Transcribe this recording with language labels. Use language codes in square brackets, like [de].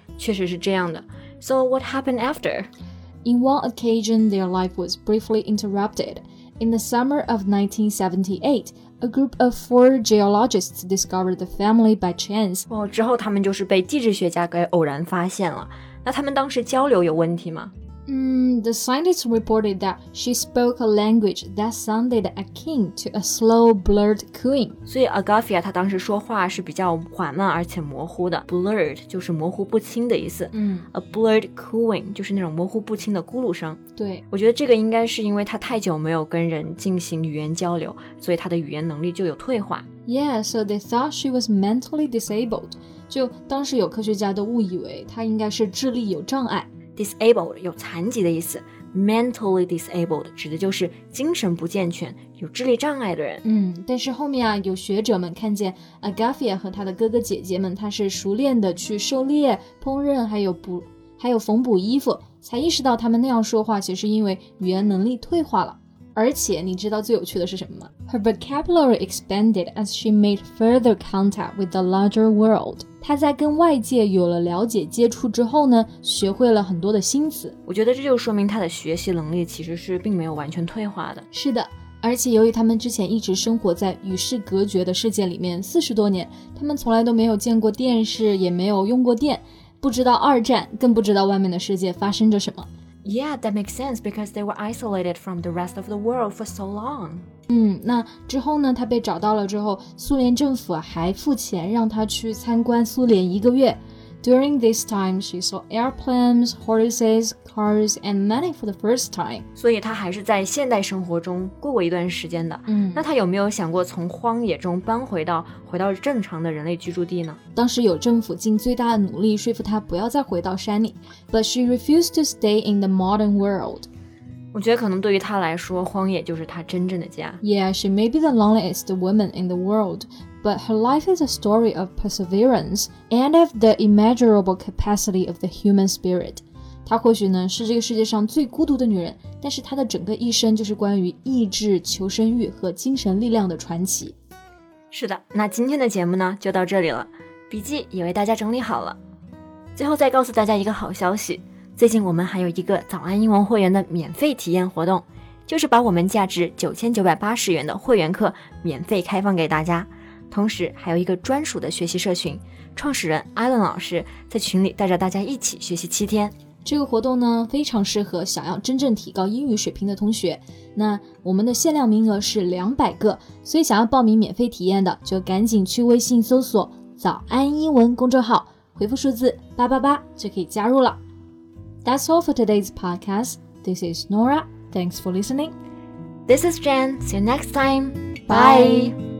[zh] 确实是这样的。 [en] So what happened after? In one occasion, their life was briefly interrupted. In the summer of 1978, a group of four geologists discovered the family by chance. [zh] 哦，之后他们就是被地质学家给偶然发现了。那他们当时交流有问题吗？ [en] The scientists reported that she spoke a language that sounded akin to a slow, blurred cooing. [zh] 所以 Agafia 她当时说话是比较缓慢而且模糊的。 Blurred 就是模糊不清的意思。 [en] A blurred cooing [zh] 就是那种模糊不清的咕噜声。对，我觉得这个应该是因为她太久没有跟人进行语言交流，所以她的语言能力就有退化。 [en] Yeah, so they thought she was mentally disabled. [zh] 就当时有科学家都误以为她应该是智力有障碍。 Disabled 有残疾的意思， [en] mentally disabled [zh] 指的就是精神不健全、有智力障碍的人。但是后面啊，有学者们看见 Agafia 和他的哥哥姐姐们，他是熟练的去狩猎、烹饪，还有缝补衣服，才意识到他们那样说话，其实是因为语言能力退化了。而且你知道最有趣的是什么吗？ [en] Her vocabulary expanded as she made further contact with the larger world. [zh] 她在跟外界有了了解接触之后呢，学会了很多的新词。我觉得这就说明她的学习能力其实是并没有完全退化的。是的，而且由于他们之前一直生活在与世隔绝的世界里面40多年，他们从来都没有见过电视，也没有用过电，不知道二战，更不知道外面的世界发生着什么。 [en] Yeah, that makes sense because they were isolated from the rest of the world for so long. [zh] 那之后呢，他被找到了之后，苏联政府还付钱让他去参观苏联一个月。 [en] During this time, she saw airplanes, horses, cars, and money for the first time. [zh] 所以他还是在现代生活中过过一段时间的。那他有没有想过从荒野中搬回到正常的人类居住地呢？当时有政府尽最大的努力说服他不要再回到山里， [en] but she refused to stay in the modern world. [zh] 我觉得可能对于他来说，荒野就是他真正的家。 [en] Yeah, she may be the loneliest woman in the world. But her life is a story of perseverance and of the immeasurable capacity of the human spirit. [zh] 她或许呢是这个世界上最孤独的女人，但是她的整个一生就是关于意志、求生欲和精神力量的传奇。是的，那今天的节目呢就到这里了，笔记也为大家整理好了。最后再告诉大家一个好消息，最近我们还有一个早安英文会员的免费体验活动，就是把我们价值9980元的会员课免费开放给大家。同时还有一个专属的学习社群，创始人 Alan 老师在群里带着大家一起学习7天。这个活动呢非常适合想要真正提高英语水平的同学，那我们的限量名额是200个，所以想要报名免费体验的就赶紧去微信搜索早安英文公众号，回复数字888就可以加入了。 [en] That's all for today's podcast. This is Nora. Thanks for listening. This is Jen. See you next time. Bye.